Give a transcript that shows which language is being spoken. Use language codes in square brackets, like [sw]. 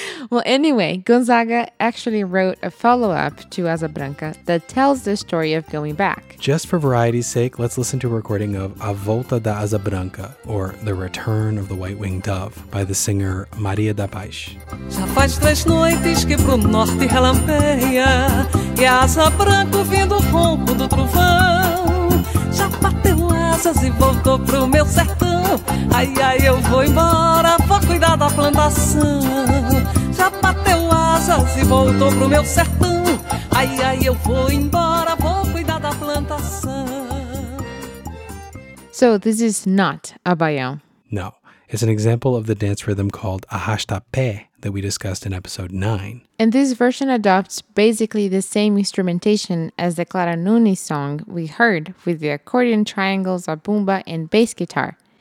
[en] Well, anyway, Gonzaga actually wrote a follow-up to Asa Branca that tells the story of going back. Just for variety's sake, let's listen to a recording of A Volta da Asa Branca, or The Return of the White-Winged Dove, by the singer Maria da Paz. [pt] Já faz três noites que pro norte relampeia, e a asa branca ouvindo o ronco do trovão, já bateu asas e voltou pro meu sertão. Ai, ai, eu vou embora, vou cuidar da plantação. Já bateu asas e voltou pro meu sertão. Ai, ai, eu vou embora, vou cuidar da plantação. [en] So this is not a baião. No, it's an example of the dance rhythm called arrasta-pé that we discussed in episode 9. And this version adopts basically the same instrumentation as the Clara Nunes song we heard, with the accordion, triangles, a bumba, and bass guitar.